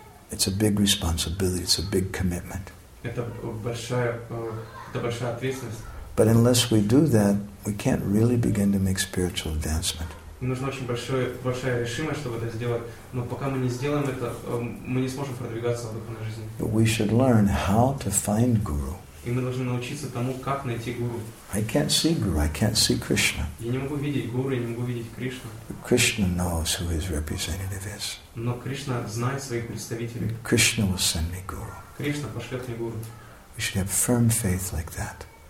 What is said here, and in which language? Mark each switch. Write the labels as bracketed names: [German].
[English] It's a big responsibility, it's a big commitment. [Russian] Это большая ответственность. [English] But unless we do that, we can't really begin to make spiritual advancement. [Russian] Нужна очень большая решимость, чтобы это сделать, но пока мы не сделаем это, мы не сможем продвигаться в духовной жизни. [English] But we should learn how to find guru. [Russian] И мы должны научиться тому, как найти гуру. [English] I can't see guru, I can't see Krishna. [Russian] Я не могу видеть гуру, я не могу видеть Кришну. [English] But Krishna knows who his representative is. [Russian] Но Кришна знает своих представителей. [English] Krishna will send me guru. [Russian] Кришна пошлет мне гуру. [English] We should have firm faith like that.